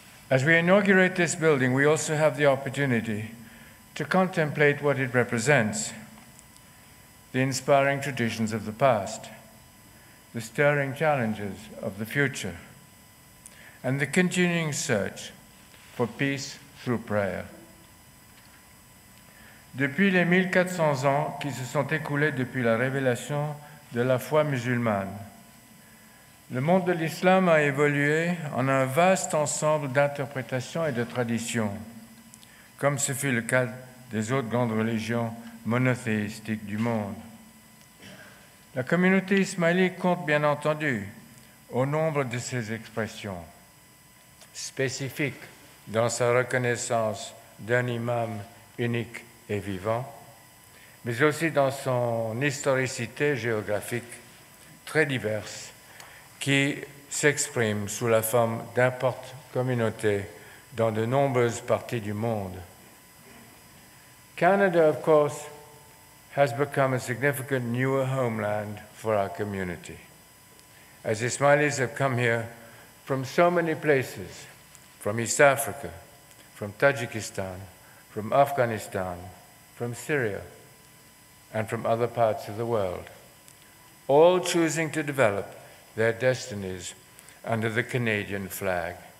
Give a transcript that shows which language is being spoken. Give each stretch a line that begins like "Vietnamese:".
English: As we inaugurate this building, we also have the opportunity to contemplate what it represents, the inspiring traditions of the past, the stirring challenges of the future, and the continuing search for peace through prayer.
French: Depuis les 1400 ans qui se sont écoulés depuis la révélation de la foi musulmane. Le monde de l'islam a évolué en un vaste ensemble d'interprétations et de traditions, comme ce fut le cas des autres grandes religions monothéistiques du monde. La communauté ismaélite compte bien entendu au nombre de ces expressions, spécifiques dans sa reconnaissance d'un imam unique et vivant, mais aussi dans son historicité géographique très diverse qui s'exprime sous la forme d'importantes communautés dans de nombreuses parties du monde.
English: Canada, of course, has become a significant newer homeland for our community, as Ismailis have come here from so many places, from East Africa, from Tajikistan, from Afghanistan, from Syria, and from other parts of the world, all choosing to develop their destinies under the Canadian flag.